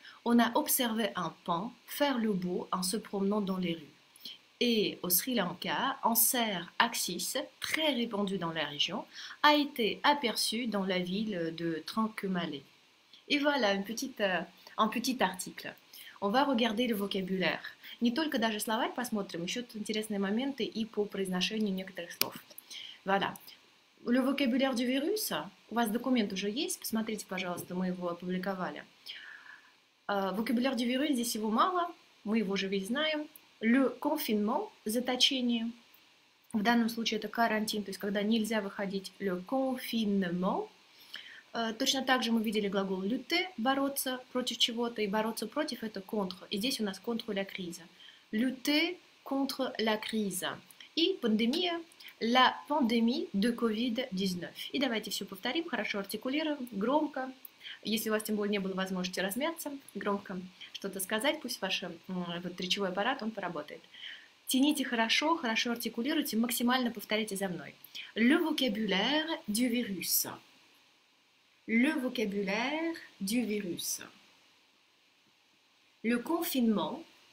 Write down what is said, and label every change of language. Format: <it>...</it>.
<fr>On a observé un paon faire le beau en se promenant dans les rues. Et au Sri Lanka, un cerf axis, très répandu dans la région, a été aperçu dans la ville de Trincomalee. Et voilà un petit article. On va regarder le vocabulaire.</fr> <ru>Не только даже словарь посмотрим, еще тут интересные моменты и по произношению некоторых слов.</ru> <fr>Voilà. Le vocabulaire du virus,</fr> <ru>у вас документ уже есть, посмотрите, пожалуйста, мы его опубликовали.</ru> <fr>Vocabulaire du virus,</fr> <ru>здесь его мало, мы его уже ведь знаем.</ru> <fr>Le confinement,</fr> <ru>заточение. В данном случае это карантин, то есть когда нельзя выходить.</ru> <fr>Le confinement.</fr> <ru>Точно так же мы видели глагол lutter, бороться против чего-то, и бороться против это contre. И здесь у нас</ru> <fr>contre la crise. Lutter contre la crise.</fr> <ru>И пандемия.</ru> <fr>La pandémie de COVID-19.</fr> <ru>И давайте все повторим, хорошо артикулируем, громко. Если у вас тем более не было возможности размяться, громко что-то сказать, пусть ваш вот, речевой аппарат, он поработает. Тяните хорошо, хорошо артикулируйте, максимально повторите за мной.</ru> <fr>Le vocabulaire du virus. Le vocabulaire du virus. Le confinement.</fr>